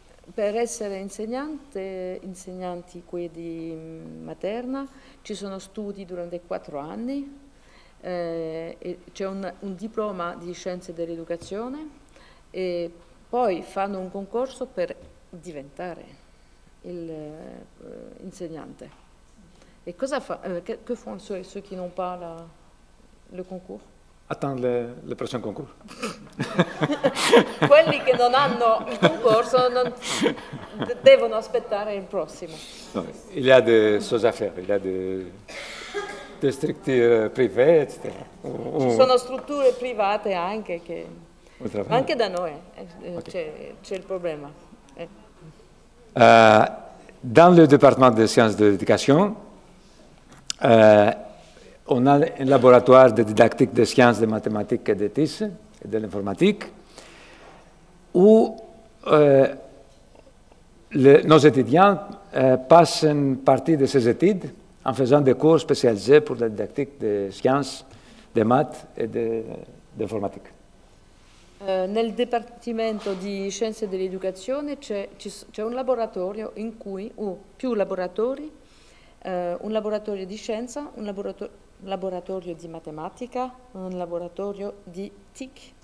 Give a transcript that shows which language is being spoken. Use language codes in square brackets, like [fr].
[it] Per essere insegnanti qui di materna ci sono studi durante 4 anni, e c'è un diploma di scienze dell'educazione e poi fanno un concorso per diventare l'insegnante. E cosa fa? Che fanno [fr] ceux qui n'ont pas le concours? Attendre le prochain concours. [it] Quelli che non hanno il concorso non devono aspettare il prossimo. [fr] No, il y a des choses à faire, il y a des [it] strutture [fr] privée, eccetera. [it] Ci sono strutture private anche che. Anche da noi c'è il problema. [fr] Dans le département de sciences de l'éducation, on a un laboratoire de didactique des sciences, des mathématiques et des TIS, et de l'informatique, où nos étudiants passent une partie de ces études en faisant des cours spécialisés pour la didactique des sciences, des maths et de l'informatique. [it] Nel dipartimento di scienze dell'educazione c'è un laboratorio in cui, più laboratori, un laboratorio di scienza, un laboratorio. Laboratorio di matematica, un laboratorio di TIC.